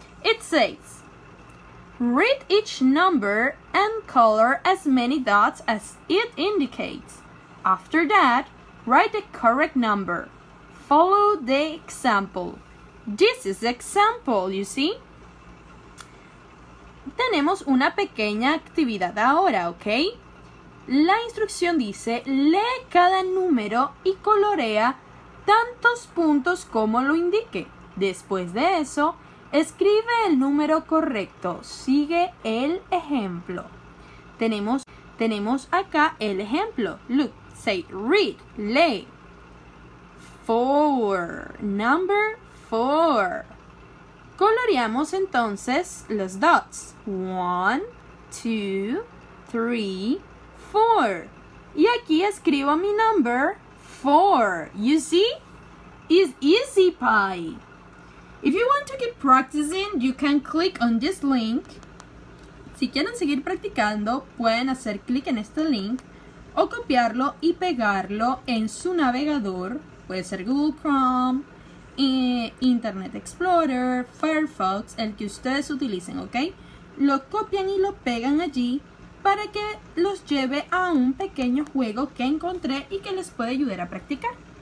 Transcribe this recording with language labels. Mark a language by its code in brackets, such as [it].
[en] It says, read each number and color as many dots as it indicates. After that, write the correct number. Follow the example. This is the example, you see? [es] Tenemos una pequeña actividad ahora, ¿ok? La instrucción dice, lee cada número y colorea tantos puntos como lo indique. Después de eso, escribe el número correcto. Sigue el ejemplo. Tenemos acá el ejemplo. [en] Look, say, read, lee. Four, number four. [es] Coloreamos entonces los [en] dots. One, two, three, four. [es] Y aquí escribo mi number, four. [en] You see? It's easy pie. If you want to keep practicing, you can click on this link. [es] Si quieren seguir practicando, pueden hacer clic en este link o copiarlo y pegarlo en su navegador. Puede ser Google Chrome, Internet Explorer, Firefox, el que ustedes utilicen, ¿ok? Lo copian y lo pegan allí para que los lleve a un pequeño juego que encontré y que les puede ayudar a practicar.